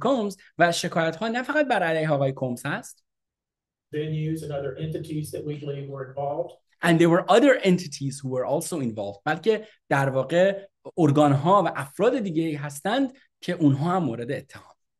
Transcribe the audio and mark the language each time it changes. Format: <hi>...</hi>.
<fa>Combs, و شکایت‌ها نه فقط بر علیه آقای کومز هست.</fa> <en>Venues and other entities that we believe were involved. And there were other entities who were also involved.</en> <fa>بلکه در واقع ارگان‌ها و افراد دیگه هستند که اونها هم مورد اتهام.</fa>